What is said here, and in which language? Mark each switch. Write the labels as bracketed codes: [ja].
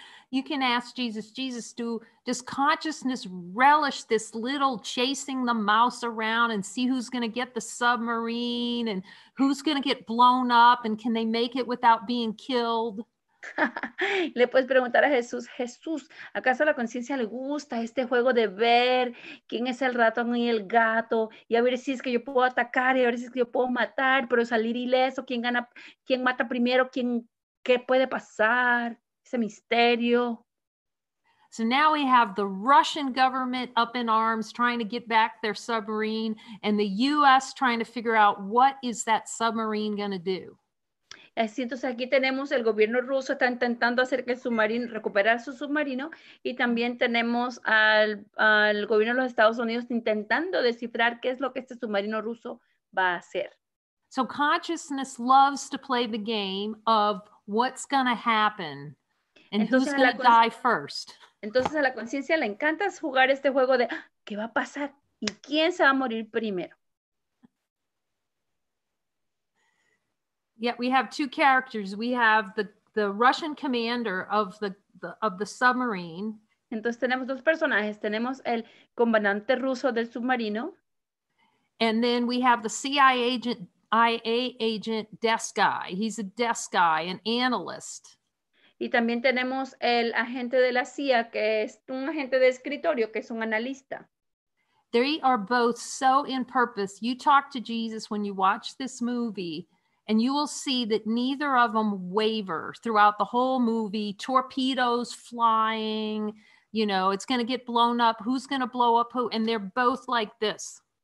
[en] You can ask Jesus, Jesus, does consciousness relish this little chasing the mouse around and see who's going to get the submarine and who's going to get blown up and can they make it without being killed? [es] Le puedes preguntar a Jesús, Jesús, ¿acaso la conciencia le gusta este juego de ver quién es el ratón y el gato y a ver si es que yo puedo atacar y a ver si es que yo puedo matar, pero salir ileso, quién gana, quién mata primero, quién, qué puede pasar? Ese misterio. [en] So now we have the Russian government up in arms trying to get back their submarine and the U.S. trying to figure out what is that submarine going to do. [es] Así entonces aquí tenemos el gobierno ruso está intentando hacer que el submarino recuperar su submarino y también tenemos al gobierno de los Estados Unidos intentando descifrar qué es lo que este submarino ruso va a hacer. [en] So consciousness loves to play the game of what's going to happen. And [es] entonces, [en] who's going to die first? [es] Entonces a la conciencia le encanta jugar este juego de ¿qué va a pasar? ¿Y quién se va a morir primero? [en] Yeah, we have two characters. We have the Russian commander of the submarine. [es] Entonces tenemos dos personajes. Tenemos el comandante ruso del submarino. [en] And then we have the CIA agent, IA agent desk guy. He's a desk guy, an analyst. [es] Y también tenemos el agente de la CIA, que es un agente de escritorio, que es un analista. They are both so in purpose. You talk to Jesus when you watch this movie, and you will see that neither of them waver throughout the whole movie. Torpedoes flying, you know, it's going to get blown up. Who's going to blow up who? And they're both like this.